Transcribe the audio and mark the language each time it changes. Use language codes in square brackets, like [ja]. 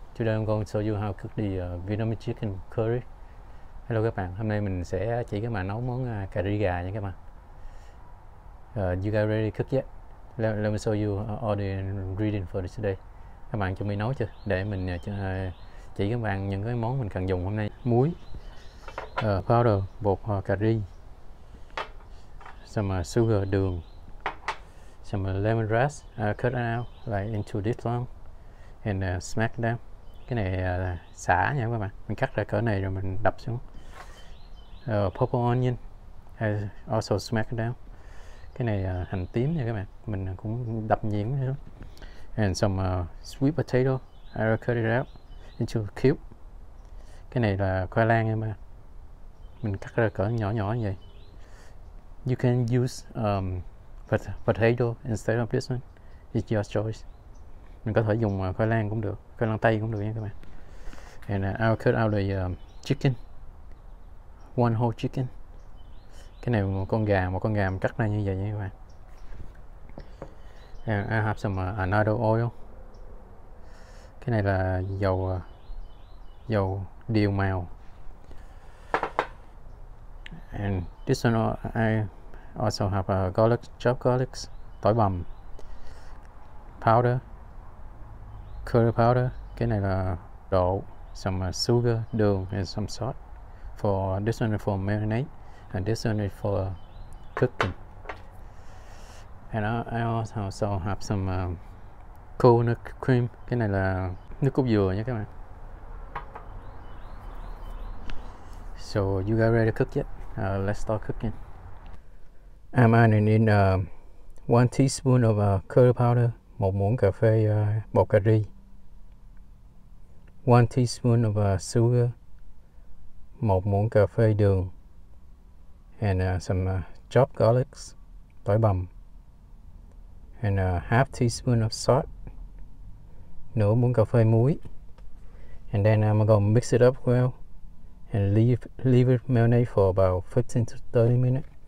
[en] Today I'm going to show you how to cook the Vietnamese chicken curry. [vi] Hello các bạn. Hôm nay mình sẽ chỉ các bạn nấu món cà ri gà nha các bạn. [en] You guys ready to cook yet? Let me show you all the ingredients for today. [vi] Các bạn chuẩn bị nấu chưa? Để mình chỉ các bạn những cái món mình cần dùng hôm nay. Muối, [en] powder, [vi] bột cà ri, [en] some sugar, [vi] đường, [en] some lemon rice, cut it out like into this long, and smack them. [vi] Cái này xả nha các bạn. Mình cắt ra cỡ này rồi mình đập xuống. [en] Purple onion, also smack down. [vi] Cái này hành tím nha các bạn. Mình cũng đập nhuyễn nữa. [en] And some sweet potato, I cut it out into cube. [vi] Cái này là khoai lang nha các bạn. Mình cắt ra cỡ nhỏ nhỏ như vậy. [en] You can use potato instead of this one. It's your choice. [vi] Mình có thể dùng khoai lang cũng được, khoai lang tây cũng được nha các bạn. [en] And I'll cut out the chicken. One whole chicken. [vi] Cái này một con gà mình cắt ra như vậy nha các bạn. [en] And I have some another oil. [vi] Cái này là dầu dầu điều màu. [en] And this one I also have a garlic, chopped garlic, [vi] tỏi bầm, [en] powder, curry powder, [vi] cái này là đổ, [en] some sugar, [vi] đường, [en] and some salt. For this one is for marinade, and this one is for cooking. And I also have some coconut cream, [vi] cái này là nước cốt dừa nha các bạn. [en] So you guys ready to cook yet? Let's start cooking. I'm adding in 1 teaspoon of curry powder, [vi] 1 muỗng cà phê bột cà ri, [en] 1 teaspoon of sugar, [vi] 1 muỗng cà phê đường, [en] and some chopped garlic, [vi] tỏi bầm, [en] and half teaspoon of salt, [vi] nửa muỗng cà phê muối, [en] and then I'm going to mix it up well, and leave it marinate for about 15 to 30 minutes.